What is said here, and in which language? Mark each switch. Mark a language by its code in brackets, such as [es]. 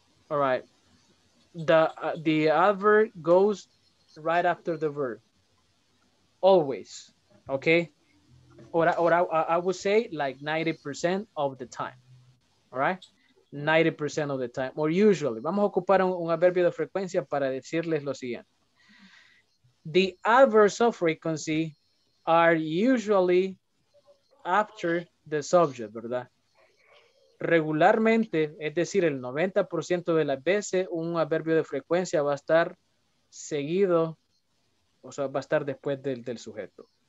[en] All right. The adverb goes right after the verb. Always. Okay. Or I would say like 90% of the time. All right. 90% of the time. Or usually. [es] Vamos a ocupar un adverbio de frecuencia para decirles lo siguiente. [en] The adverbs of frequency are usually after the subject, ¿verdad? [es] Regularmente, es decir, el 90% de las veces, un adverbio de frecuencia va a estar seguido, o sea, va a estar después del sujeto.